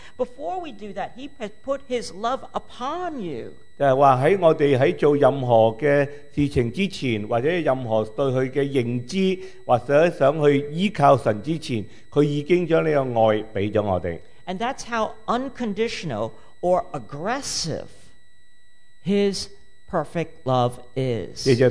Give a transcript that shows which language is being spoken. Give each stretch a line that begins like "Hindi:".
English: Before we do that, he has put his love upon you.
Chinese: 就是说在我们在做任何的事情之前，或者任何对他的认知，或者想去依靠神之前，他已经将这个爱给了我们。
English: And that's how unconditional or aggressive his perfect love is.